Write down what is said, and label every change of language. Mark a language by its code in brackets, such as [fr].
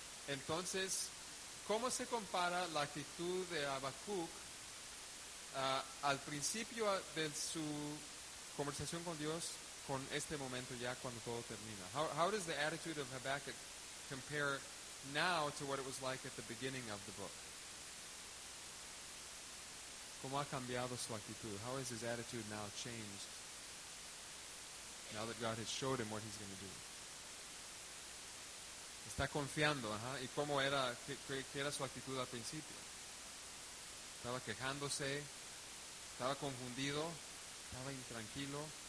[es] Entonces, ¿cómo se compara la actitud de Habacuc al principio de su conversación con Dios con este momento ya cuando todo termina? [en] How does the attitude of Habacuc compare now to what it was like at the beginning of the book? [es] ¿Cómo ha cambiado su actitud? [en] How has his attitude now changed? Now that God has showed him what he's going to do. [es] Está confiando, ¿ajá? ¿Y cómo era, qué era su actitud al principio? Estaba quejándose, estaba confundido, estaba intranquilo.